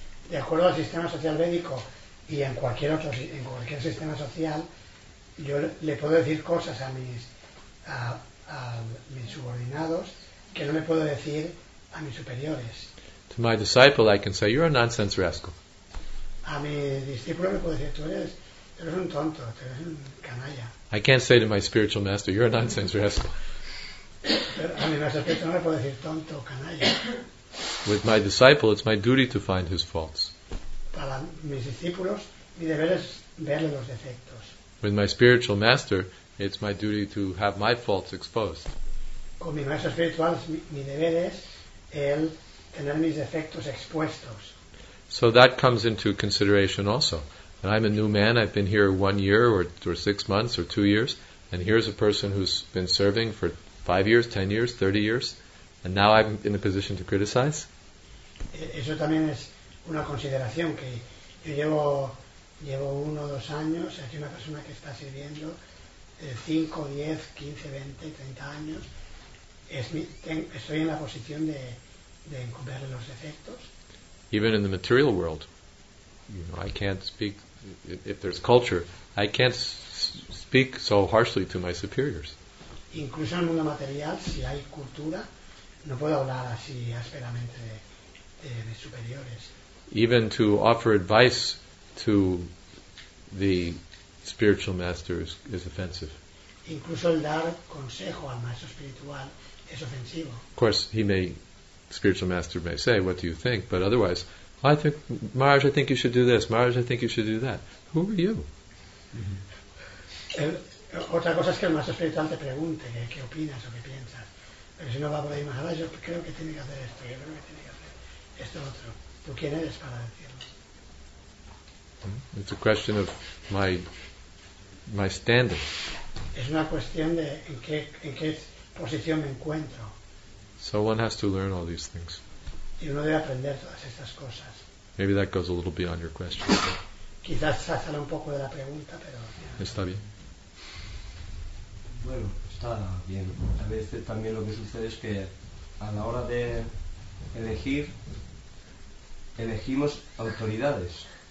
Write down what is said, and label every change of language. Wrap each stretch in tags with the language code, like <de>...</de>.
<es>De acuerdo al sistema social védico y en cualquier sistema social, yo le puedo decir cosas a mis subordinados que no le puedo decir a mis superiores.</es> <en>To my disciple, I can say, "You're a nonsense rascal."</en> <es>A mi discípulo le puedo decir, tú eres un tonto, tú eres un canalla.</es> <en>I can't say to my spiritual master, "You're a nonsense rascal."</en> <es>A mi maestro espiritual no le puedo decir tonto, canalla.</es> <en>With my disciple, it's my duty to find his faults.</en> <es>Para mis discípulos, mi deber es verle los defectos.</es> <en>With my spiritual master, it's my duty to have my faults exposed.</en> <es>Con mi maestro espiritual, mi deber es el tener mis defectos expuestos.</es> <en>So that comes into consideration also. And I'm a new man, I've been here 1 year or 6 months or 2 years, and here's a person who's been serving for 5 years, 10 years, 30 years, and now I'm in a position to criticize.</en> <es>Eso también es una consideración, que yo llevo 1 o 2 años, aquí una persona que está sirviendo 5, 10, 15, 20, 30 años, estoy en la posición de encontrarle los defectos.</es> <en>Even in the material world, you know, I can't speak, if there's culture, I can't speak so harshly to my superiors.</en> <es>Incluso en el mundo material, si hay cultura, no puedo hablar así ásperamente de mis superiores.</es> <en>Even to offer advice to the spiritual master is offensive.</en> <es>Incluso el dar consejo al maestro espiritual es ofensivo.</es> <en>Of course, spiritual master may say, "What do you think?" But otherwise, I think, Maharaj, I think you should do this. Maharaj, I think you should do that. Who are you?</en> <es>Otra cosa es que el maestro espiritual te pregunte qué opinas o qué piensas. Pero si no va por ahí, Maharaj, yo creo que tiene que hacer esto, yo creo que tiene que hacer esto otro. ¿Tú quién eres para decirlo?</es> <en>It's a question of my standing.</en> <es>Es una cuestión de en qué posición me encuentro.</es> <en>So one has to learn all these things.</en> <es>Y uno debe aprender todas estas cosas.</es> <en>Maybe that goes a little beyond your question.</en> <es>Quizás se sale un poco de la pregunta, pero... Está bien. Bueno, está bien. A veces también lo que sucede es que a la hora de elegir, elegimos autoridades.</es>